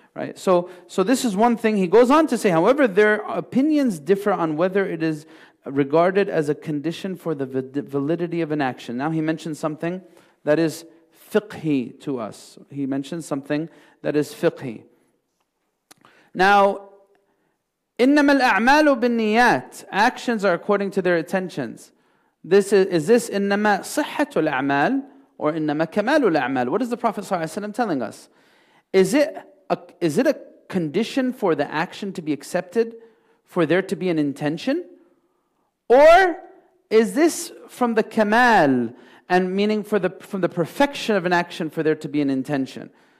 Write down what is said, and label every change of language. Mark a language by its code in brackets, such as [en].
[en] Right, so this is one thing. He goes on to say, however, their opinions differ on whether it is regarded as a condition for the validity of an action. Now he mentions something that is fiqhi to us. He mentions something that is fiqhi. [ar] Now, إِنَّمَا الْأَعْمَالُ بِالنِّيَّاتِ. [en] Actions are according to their intentions. This is this [ar] إِنَّمَا صِحَّةُ الْأَعْمَالِ or إِنَّمَا كَمَالُ الْأَعْمَالِ. [en] What is the Prophet ﷺ telling us? Is it a condition for the action to be accepted, for there to be an intention? Or is this from the kamal, and meaning from the perfection of an action for there to be an intention?